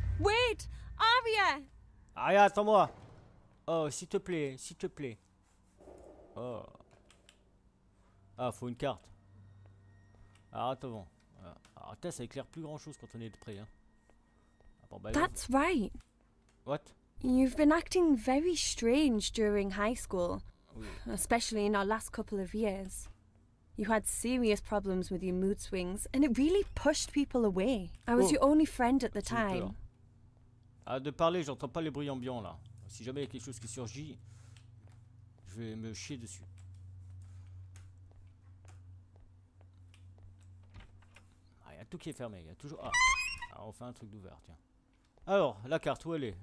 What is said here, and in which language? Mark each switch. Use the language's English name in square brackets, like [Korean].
[English] Wait, Aria. [French] Aria, attends-moi. Oh, s'il te plaît. Oh. Ah, faut une carte. Arrête avant. Attends, ça éclaire plus grand-chose quand on est de près. Hein. [English] Ah, bon, bah, that's right. What? You've been acting very strange during high school. [French] Oui. [English] Especially in our last couple of years. You had serious problems with your mood swings, and it really pushed people away. I was your only friend at the time. [French] Ah, de parler, j'entends pas les bruits ambiants, là. Si jamais il y a quelque chose qui surgit, je vais me chier dessus. Ah, il y a tout qui est fermé, il y a toujours... Ah, on fait un truc d'ouvert, tiens. Alors, la carte, où elle est?